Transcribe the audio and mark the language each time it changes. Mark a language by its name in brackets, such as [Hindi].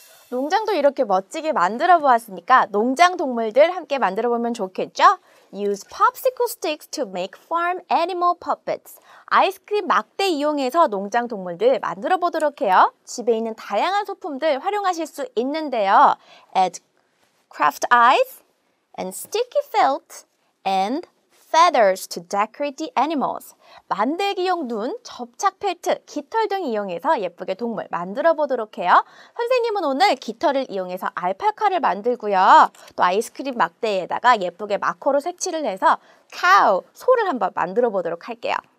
[Korean] 농장도 이렇게 멋지게 만들어 보았으니까 농장 동물들 함께 만들어 보면 좋겠죠? [English] Use popsicle sticks to make farm animal puppets. [Korean] 아이스크림 막대 이용해서 농장 동물들 만들어 보도록 해요. 집에 있는 다양한 소품들 활용하실 수 있는데요. [English] Add craft eyes and sticky felt and feathers to decorate the animals. [Korean] 만들기용 눈, 접착 펠트, 깃털 등 이용해서 예쁘게 동물 만들어 보도록 해요. 선생님은 오늘 깃털을 이용해서 알파카를 만들고요. 또 아이스크림 막대에다가 예쁘게 마커로 색칠을 해서 cow, 소를 한번 만들어 보도록 할게요.